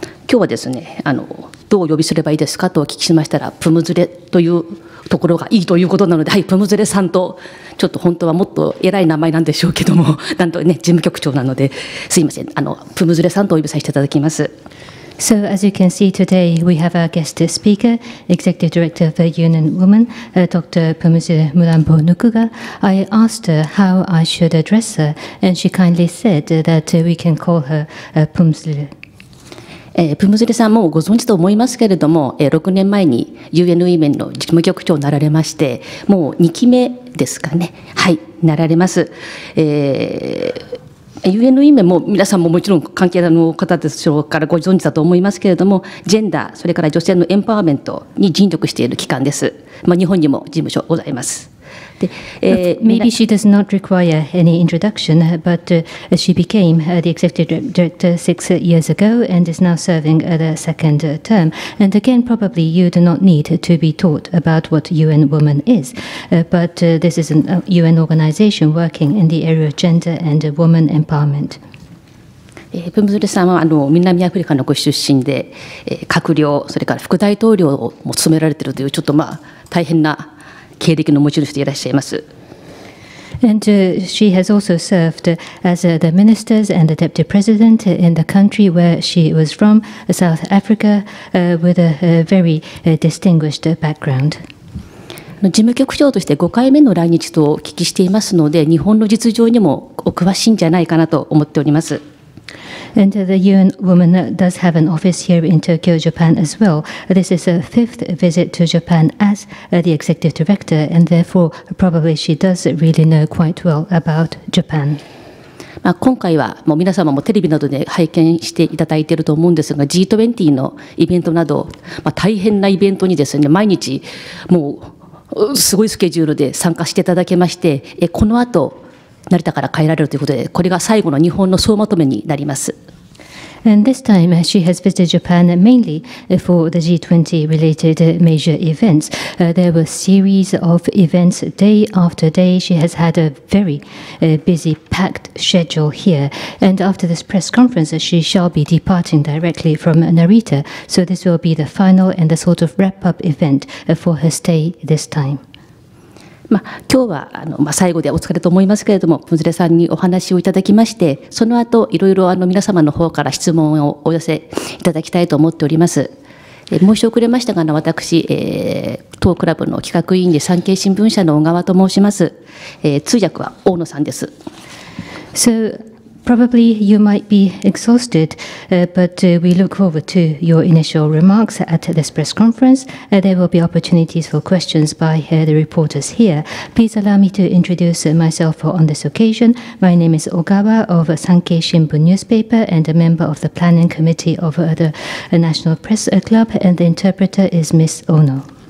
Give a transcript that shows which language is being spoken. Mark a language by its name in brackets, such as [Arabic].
[Japanese] 今日はですね、どう呼びすればいいですかとお聞きしましたら、プムズレというところがいいということなので、はい、プムズレさんと、ちょっと本当はもっと偉い名前なんでしょうけども、なんとね、事務局長なのですいません、プムズレさんとお呼びさせていただきます。 [English] So as you can see today, we have our guest speaker, Executive Director of UN Women, Dr. Pumuzile Mulambo Nukuga. I asked her how I should address her, and she kindly said that we can call her Pumuzile. [Japanese] プムズレさんもご存知と思いますけれども、6年前に UN Women の事務局長になられまして、もう2期目ですかね、はい、なられます。 UN Women も皆さんももちろん関係の方でしょうからご存知だと思いますけれども、ジェンダー、それから女性のエンパワーメントに尽力している機関です。まあ、日本にも事務所ございます。 [English] Maybe she does not require any introduction, but she became the executive director 6 years ago and is now serving the second term. And again, probably you do not need to be taught about what UN Women is, but this is a UN organization working in the area of gender and woman empowerment. [Japanese] プムズレさんは南アフリカのご出身で、閣僚、それから副大統領も務められているという、ちょっとまあ大変な経歴の持ち主でいらっしゃいます。 [English] And she has also served as the minister and the deputy president in the country where she was from, South Africa, with a very distinguished background. [Japanese] 事務局長として5回目の来日とお聞きしていますので、日本の実情にもお詳しいんじゃないかなと思っております。 [English] And the UN Women does have an office here in Tokyo, Japan as well. This is her fifth visit to Japan as the executive director, and therefore probably she does really know quite well about Japan. [Japanese] まあ今回はもう皆様もテレビなどで拝見していただいていると思うんですが、 G20 のイベントなど、まあ、大変なイベントにですね、毎日もうすごいスケジュールで参加していただけまして、この後成田から帰られるということで、これが最後の日本の総まとめになります。 [English] And this time she has visited Japan mainly for the G20 related major events. There were series of events day after day. She has had a very busy packed schedule here. And after this press conference, she shall be departing directly from Narita. So this will be the final and the sort of wrap up event for her stay this time. [Japanese] まあ、今日は最後でお疲れと思いますけれども、プムズレさんにお話をいただきまして、その後いろいろ皆様の方から質問をお寄せいただきたいと思っております。申し遅れましたが、私、当クラブの企画委員で産経新聞社の小川と申します。通訳は大野さんです。 [English] So probably you might be exhausted, but we look forward to your initial remarks at this press conference. There will be opportunities for questions by the reporters here. Please allow me to introduce myself on this occasion. My name is Ogawa of Sankei Shimbun newspaper and a member of the planning committee of the National Press Club, and the interpreter is Miss Ono.